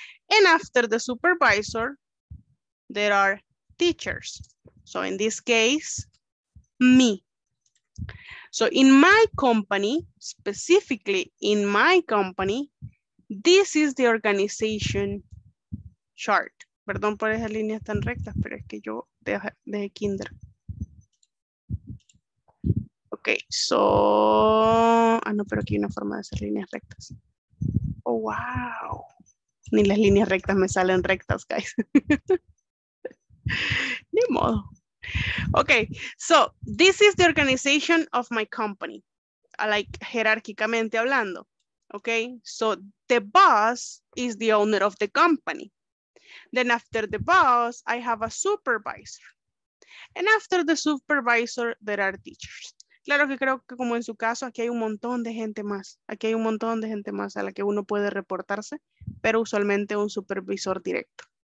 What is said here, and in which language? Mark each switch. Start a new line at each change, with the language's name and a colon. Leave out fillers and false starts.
English: And after the supervisor, there are teachers. So in this case, me. So in my company, specifically in my company, this is the organization chart.
Spanish: Perdón por esas líneas tan rectas, pero es que yo dejé kinder.
English: Okay, so,
Spanish: no, pero aquí hay una forma de hacer líneas rectas.
English: Oh, wow.
Spanish: Ni las líneas rectas me salen rectas, guys. Ni modo.
English: Okay, so, this is the organization of my company. Like,
Spanish: jerárquicamente hablando.
English: Okay, so, the boss is the owner of the company. Then after the boss, I have a supervisor. And after the supervisor, there are teachers.
Spanish: Claro que creo que como en su caso, aquí hay un montón de gente más. Aquí hay un montón de gente más a la que uno puede reportarse, pero usualmente un supervisor directo.